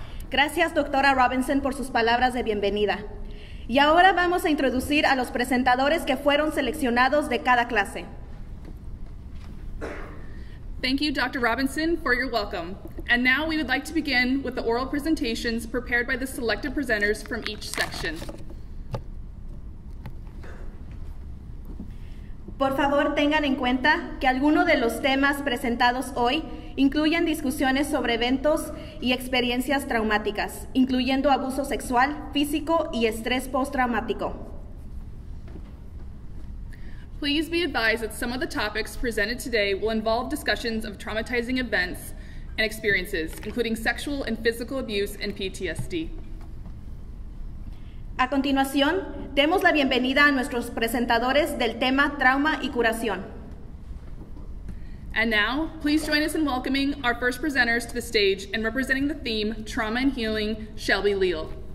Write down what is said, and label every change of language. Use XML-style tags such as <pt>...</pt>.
<es>Gracias, doctora Robinson, por sus palabras de bienvenida. Y ahora vamos a introducir a los presentadores que fueron seleccionados de cada clase.</es> <en>Thank you, Dr. Robinson, for your welcome. And now we would like to begin with the oral presentations prepared by the selected presenters from each section.</en> <es>Por favor, tengan en cuenta que algunos de los temas presentados hoy incluyen discusiones sobre eventos y experiencias traumáticas, incluyendo abuso sexual, físico y estrés postraumático.</es> <en>Please be advised that some of the topics presented today will involve discussions of traumatizing events and experiences, including sexual and physical abuse and PTSD.</en> <es>A continuación, demos la bienvenida a nuestros presentadores del tema trauma y curación.</es> <en>And now, please join us in welcoming our first presenters to the stage and representing the theme, Trauma and Healing, Shelby Leal.</en>